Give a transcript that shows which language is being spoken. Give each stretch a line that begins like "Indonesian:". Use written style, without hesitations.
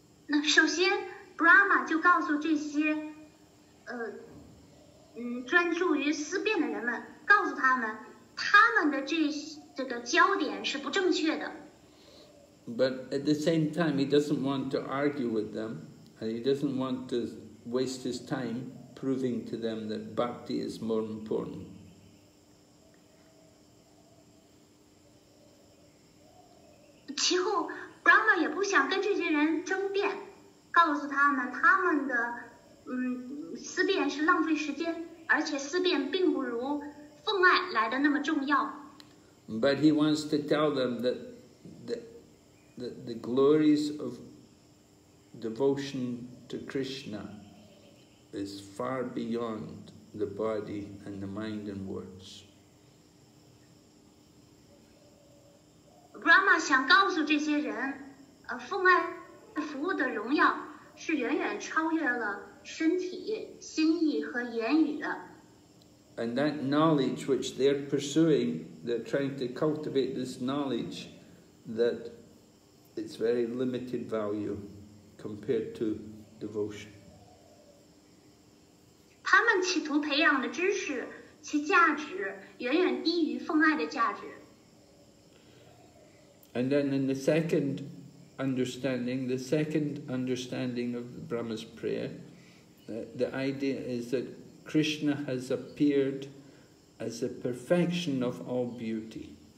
Chinese: 那首先 ，Brahma 就告诉这些专注于思辨的人们，告诉他们他们的这个焦点是不正确的。
English: But at the same time, he doesn't want to argue with them, and he doesn't want to waste his time proving to them that bhakti is more important.
Chinese: 其后 ，Brahma 也不想跟这些人争辩，告诉他们的思辨是浪费时间，而且思辨并不如奉爱来的那么重要。
English: But he wants to tell them that the glories of devotion to Krishna is far beyond the body and the mind and words.
Chinese: Brahma 想告诉这些人，奉爱服务的荣耀是远远超越了身体、心意和言语的。
English: And that knowledge which they're pursuing, they're trying to cultivate this knowledge that it's very limited value compared to devotion.
Chinese: 他们企图培养的知识，其价值远远低于奉爱的价值。
English: And then in the second understanding of Brahma's prayer, the idea is that Krishna has appeared as the perfection of all beauty.